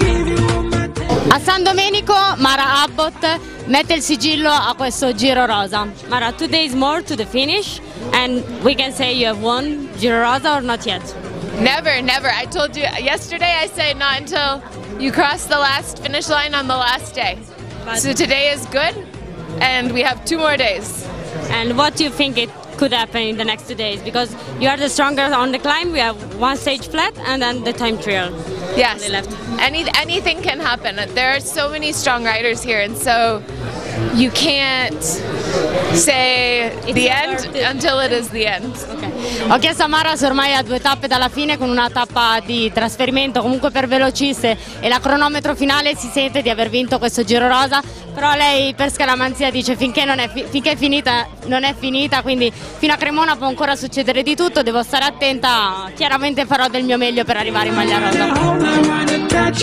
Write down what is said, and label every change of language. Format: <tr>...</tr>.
<it>A San Domenico, Mara Abbott mette il sigillo a questo Giro Rosa.</it> <en>Mara, 2 days more to the finish, and we can say you have won Giro Rosa or not yet? Never, never. I told you yesterday, I said not until you cross the last finish line on the last day. So today is good, and we have 2 more days. And what do you think it could happen in the next 2 days? Because you are the strongest on the climb. We have one stage flat and then the time trial. Yes, left. Anything can happen. There are so many strong riders here, and so you can't say it's the end until it is the end. Okay.</en> <it>Ho chiesto a Mara se ormai ha 2 tappe dalla fine, con una tappa di trasferimento comunque per velociste e la cronometro finale, si sente di aver vinto questo Giro Rosa, però lei per scaramanzia dice finché è finita, quindi fino a Cremona può ancora succedere di tutto, devo stare attenta, chiaramente farò del mio meglio per arrivare in maglia rosa.</it>